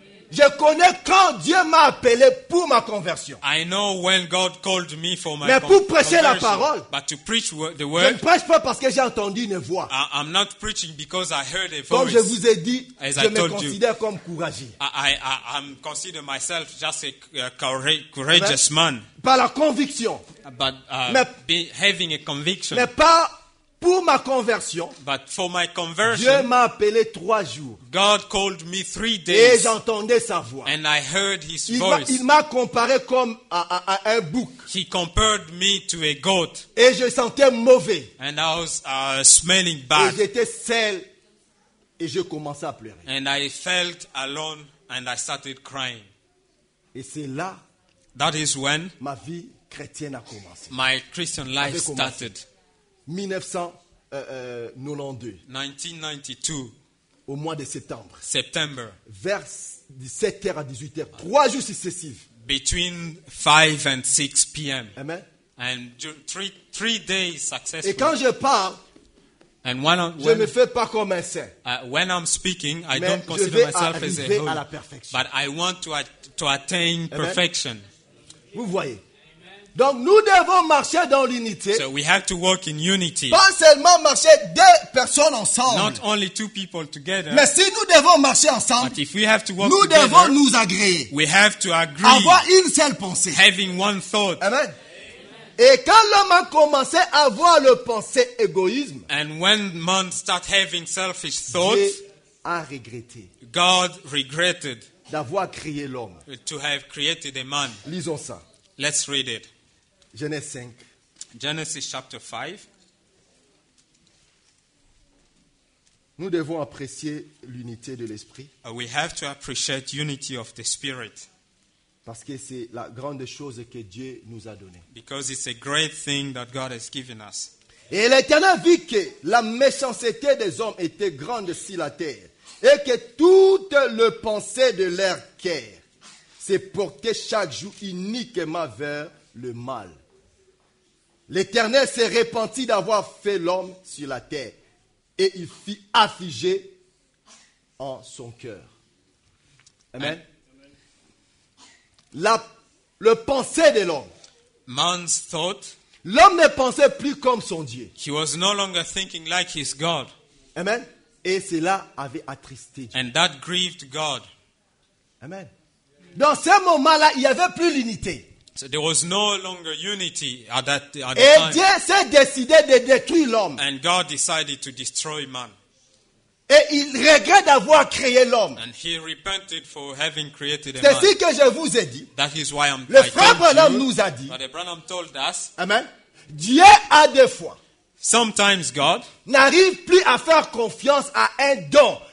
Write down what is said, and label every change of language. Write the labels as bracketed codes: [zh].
[fr] Je connais quand Dieu m'a appelé pour ma conversion. [en] I know when God called me for my [fr] Mais pour prêcher la parole. [en] But to preach the word. [fr] Je ne prêche pas parce que j'ai entendu une voix. [en] I'm not preaching because I heard a voice. [fr] Comme je vous ai dit, je me considère comme courageux. [en] I consider myself just a courageous man. [fr] Par la conviction. [en] But having a conviction. [fr] Mais pas Pour ma conversion, [en] but for my conversion, [fr] Dieu m'a appelé 3 jours. [en] God called me 3 days. [fr] Et j'entendais sa voix. [en] And I heard his voice. [fr] Il m'a comparé comme à un bouc. [en] He compared me to a goat. [fr] Et je sentais mauvais. [en] And I was smelling bad. [fr] Et j'étais seul. Et je commençais à pleurer. [en] And I felt alone and I started crying. [fr] Et c'est là. [en] That is when [fr] ma vie chrétienne a commencé. [en] My Christian life started. [fr] 1992. Au mois de septembre. [en] September. [fr] Vers 17h à 18h. 3 jours successifs. [en] Between 5 and 6 p.m. Amen. And 3 days successful. [fr] Et quand je parle, [en] and when I'm, [fr] je ne me fais pas comme un saint. [en] When I'm speaking, I [fr] mais [en] don't consider myself as a holy. [fr] Je vais arriver à la perfection. [en] But I want to attain Perfection. [fr] Vous voyez. Donc nous devons marcher dans l'unité. [en] So we have to walk in unity. [fr] Pas seulement marcher 2 personnes ensemble. [en] Not only 2 people together. [fr] Mais si nous devons marcher ensemble, [en] but if we have to walk [fr] nous [en] together, [fr] devons nous agréer. [en] We have to agree. [fr] Avoir une seule pensée. [en] Having one thought. Amen. [fr] Et quand l'homme a commencé à avoir le pensée égoïsme, [en] and when man start having selfish thoughts, [fr] Dieu a regretté. [en] God regretted [fr] d'avoir créé l'homme. [en] To have created a man. [fr] Lisons ça. [en] Let's read it. [fr] Genèse 5. [en] Genesis chapter 5. [fr] Nous devons apprécier l'unité de l'esprit. [en] We have to appreciate unity of the spirit. [fr] Parce que c'est la grande chose que Dieu nous a donnée. [en] Because it's a great thing that God has given us. [fr] Et l'Éternel vit que la méchanceté des hommes était grande sur la terre, et que toutes les pensées de leur cœur se portaient chaque jour uniquement vers le mal. L'Éternel s'est repenti d'avoir fait l'homme sur la terre, et il fut affligé en son cœur. Amen. Le pensée de l'homme. [en] Man's thought. [fr] L'homme ne pensait plus comme son Dieu. [en] He was no longer thinking like his God. Amen. [fr] Et cela avait attristé Dieu. [en] And that grieved God. Amen. [fr] Dans ce moment-là, il n'y avait plus l'unité. [en] So there was no longer unity at the time. [fr] Et Dieu s'est décidé de détruire l'homme. [en] And God decided to destroy man. [fr] Et il regrette d'avoir créé l'homme. [en] And he repented for having created a [fr] c'est [en] man. [fr] Ce que je vous ai dit. [en] That is why [fr] le frère Branham nous a dit. [en] But Branham told us. [fr] Amen. Dieu a des fois. [en] Sometimes God [fr] n'arrive plus à faire confiance à un don.